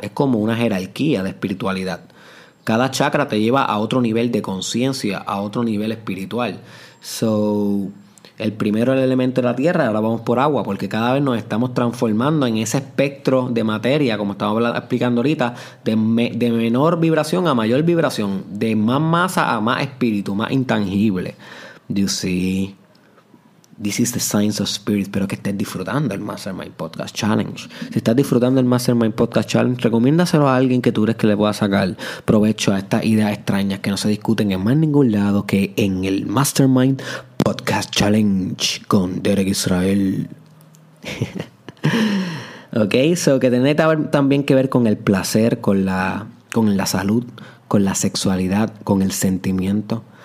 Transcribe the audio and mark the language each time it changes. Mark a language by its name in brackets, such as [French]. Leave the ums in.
[Spanish] Es como una jerarquía de espiritualidad. Cada chakra te lleva a otro nivel de conciencia, a otro nivel espiritual. So, el primero el elemento de la Tierra, ahora vamos por agua, porque cada vez nos estamos transformando en ese espectro de materia, como estamos explicando ahorita, de, me, de, menor vibración a mayor vibración, de más masa a más espíritu, más intangible. [English] You see, this is the science of spirit. [Spanish] Espero que estés disfrutando el Mastermind Podcast Challenge. Si estás disfrutando el Mastermind Podcast Challenge, recomiéndaselo a alguien que tú crees que le pueda sacar provecho a estas ideas extrañas que no se discuten en más ningún lado que en el Mastermind Podcast Challenge con Derek Israel. ok, so que tiene también que ver con el placer, con la, con la salud, con la sexualidad, con el sentimiento.